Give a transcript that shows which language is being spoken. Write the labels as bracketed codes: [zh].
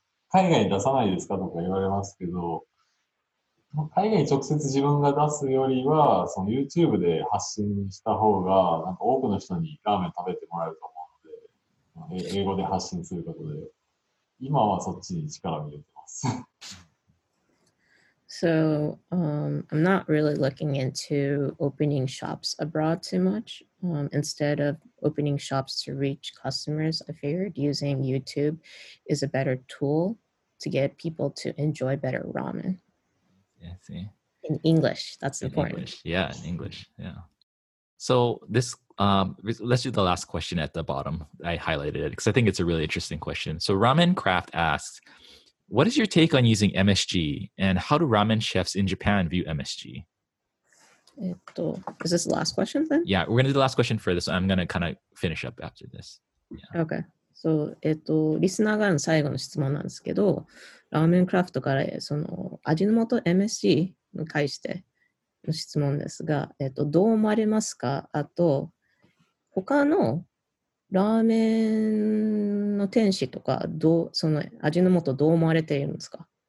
[ja] 海外に出さないですかとか言われますけど、海外に直接自分が出すよりは、その YouTube で発信した方が、なんか多くの人にラーメン食べてもらえると思うので、英語で発信することで、今はそっちに力を入れてます。 [en] So, I'm not really looking into opening shops abroad too much. Instead of opening shops to reach customers, I figured using YouTube is a better tool to get people to enjoy better ramen. Yeah, see. In English, that's important. In English. So, this, let's do the last question at the bottom. I highlighted it because I think it's a really interesting question. So, Ramen Craft asks, what is your take on using MSG and how do ramen chefs in Japan view MSG? Is this the last question then? Yeah, we're going to do the last question for this. So I'm going to kind of finish up after this. Yeah. Okay. [ja] So, リスナーからの最後の質問なんですけど、ラーメンクラフトからその味の素 MSG に対しての質問ですが、どう思われますか？あと、他のラーメンの店主とかどうその味の素どう思われているんですか？